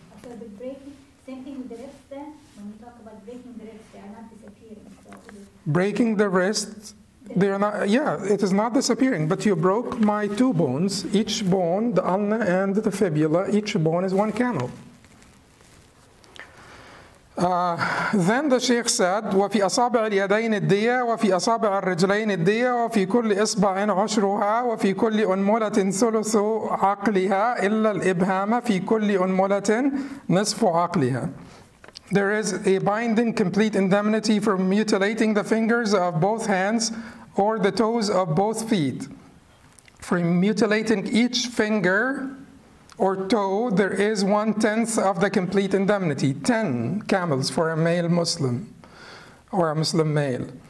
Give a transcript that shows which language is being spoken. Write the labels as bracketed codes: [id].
[en] So the breaking, same thing with the wrist then? When we talk about breaking the wrist, they are not disappearing. So breaking the wrist, they are not, yeah, it is not disappearing. But you broke my two bones, each bone, the ulna and the fibula, each bone is one camel. Then the Sheikh said, [ar] وَفِي أَصَابِعِ الْيَدَيْنِ الدِّيَةِ وَفِي أَصَابِعِ الرِّجْلَيْنِ الدِّيَةِ وَفِي كُلِّ إِصْبَعٍ عُشْرُهَا وَفِي كُلِّ أُنْمُلَةٍ ثُلُثُ عَقْلِهَا إِلَّا الْإِبْهَامَ فِي كُلِّ أُنْمُلَةٍ نِصْفُ عَقْلِهَا. [en] There is a binding complete indemnity for mutilating the fingers of both hands or the toes of both feet. For mutilating each finger or toe, there is 1/10 of the complete indemnity, 10 camels for a male Muslim, or a Muslim male.